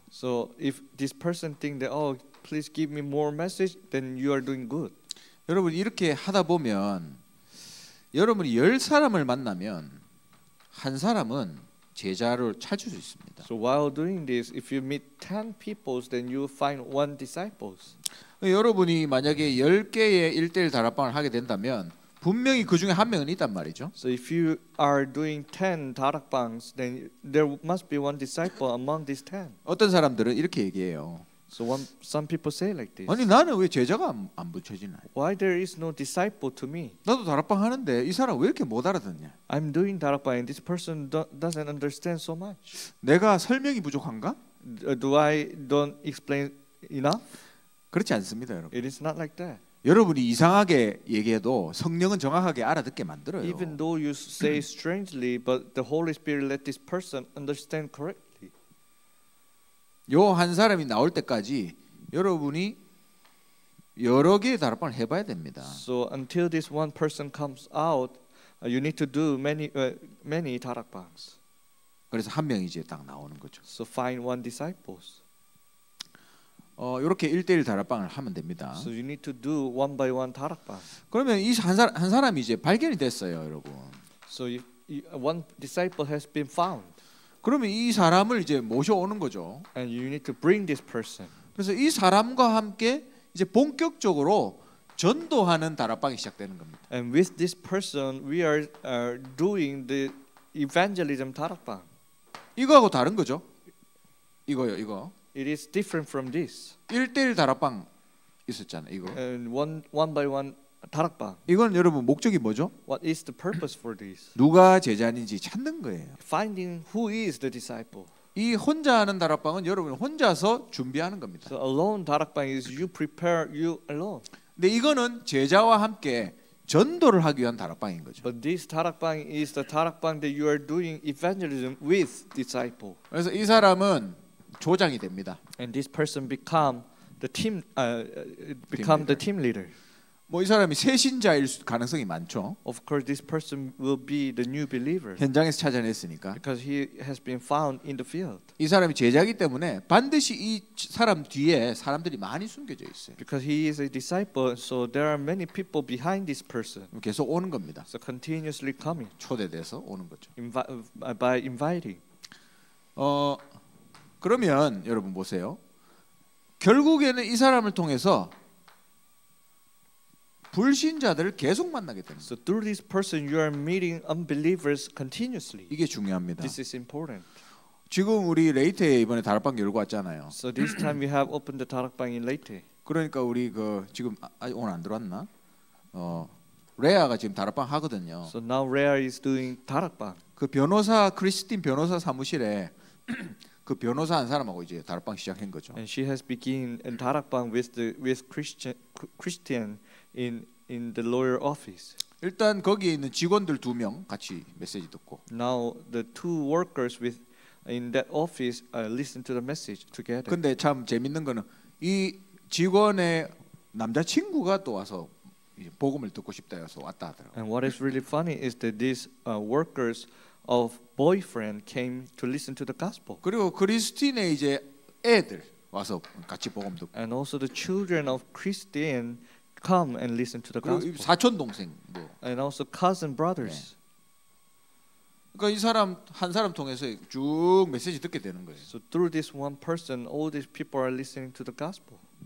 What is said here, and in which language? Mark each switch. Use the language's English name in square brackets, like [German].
[English] So if this person think that oh please give me more message then you are doing good. [Korean] 여러분 이렇게 하다 보면 여러분이 열 사람을 만나면 한 사람은 제자를 찾을 수 있습니다. [English] So while doing this if you meet 10 people then you find one disciples. [Korean] 여러분이 만약에 10개의 1대1 다락방을 하게 된다면 분명히 그 중에 한 명은 있단 말이죠. [English] So if you are doing 10 다락방s, then there must be one disciple among these 10. [Korean] 어떤 사람들은 이렇게 얘기해요. [English] So some people say like this. [Korean] 아니 나는 왜 제자가 안 붙여지나? [English] Why there is no disciple to me? [Korean] 나도 다락방 하는데 이 사람 왜 이렇게 못 알아듣냐? [English] I'm doing 다락방 and this person doesn't understand so much. [Korean] 내가 설명이 부족한가? [English] Do I don't explain enough? [Korean] 그렇지 않습니다, 여러분. [English] It is not like that. [Korean] 여러분이 이상하게 얘기해도 성령은 정확하게 알아듣게 만들어요. [English] Even though you say strangely, but the Holy Spirit let this person understand correctly. [Korean] 요 한 사람이 나올 때까지 여러분이 여러 개의 다락방을 해봐야 됩니다. [English] So until this one person comes out, you need to do many 다락방s. [Korean] 그래서 한 명이 이제 딱 나오는 거죠. [English] So find one disciples. [Korean] 이렇게 1대1 다락방을 하면 됩니다. [English] So you need to do one by one 다락방. [Korean] 그러면 이 한 사람이 이제 발견이 됐어요, 여러분. [English] So one disciple has been found. [Korean] 그러면 이 사람을 이제 모셔오는 거죠. [English] And you need to bring this person. [Korean] 그래서 이 사람과 함께 이제 본격적으로 전도하는 다락방이 시작되는 겁니다. [English] And with this person, we are doing the evangelism 다락방. [Korean] 이거하고 다른 거죠. 이거요, 이거. [English] It is different from this. [Korean] 1대1 다락방 있었잖아요, 이거. [English] And one by one 다락방. [Korean] 이건 여러분 목적이 뭐죠? [English] What is the purpose for this? [Korean] 누가 제자인지 찾는 거예요. [English] Finding who is the disciple. [Korean] 이 혼자 하는 다락방은 여러분 혼자서 준비하는 겁니다. [English] So alone 다락방 is you prepare you alone. [Korean] 근데 이거는 제자와 함께 전도를 하기 위한 다락방인 거죠. [English] But this 다락방 is the 다락방 that you are doing evangelism with disciple. [Korean] 그래서 이 사람은 조장이 됩니다. [English] And this person become the team become the team leader. [Korean] 뭐 이 사람이 새신자일 가능성이 많죠. [English] Of course, this person will be the new believer. [Korean] 현장에서 찾아냈으니까. [English] Because he has been found in the field. [Korean] 이 사람이 제자이기 때문에 반드시 이 사람 뒤에 사람들이 많이 숨겨져 있어요. [English] Because he is a disciple, so there are many people behind this person. [Korean] 계속 오는 겁니다. [English] So continuously coming. [Korean] 초대돼서 오는 거죠. [English] By inviting. [Korean] 그러면 여러분 보세요. 결국에는 이 사람을 통해서 불신자들을 계속 만나게 됩니다. [English] So through this person, you are meeting unbelievers continuously. [Korean] 이게 중요합니다. [English] This is important. [Korean] 지금 우리 레이테에 이번에 다락방 열고 왔잖아요. [English] So this time we have opened the 다락방 in Leyte. [Korean] 그러니까 우리 그 지금 오늘 안 들어왔나? 레아가 지금 다락방 하거든요. [English] So now Rhea is doing 다락방. [Korean] 그 변호사 크리스틴 변호사 사무실에 그 변호사 한 사람하고 이제 다락방 시작한 거죠. [English] And she has begun in 다락방 with Christian. In the lawyer office. [Korean] 일단 거기 있는 직원들 두 명 같이 메시지 듣고. [English] Now the two workers with in that office listen to the message together. [Korean] 근데 참 재밌는 거는 이 직원의 남자 친구가 또 와서 복음을 듣고 싶다 해서 왔다 하더라고. [English] And what is really funny is that these workers of boyfriend came to listen to the gospel. [Korean] 그리고 크리스틴의 이제 애들 와서 같이 복음 듣고. [English] And also the children of Christine. Come and listen to the gospel. [Korean] 사촌 동생도. [English] And also cousin brothers. 네. [Korean] 그러니까 이 사람 한 사람 통해서 쭉 메시지 듣게 되는 거예요. [English] So through this one person, all these people are listening to the gospel.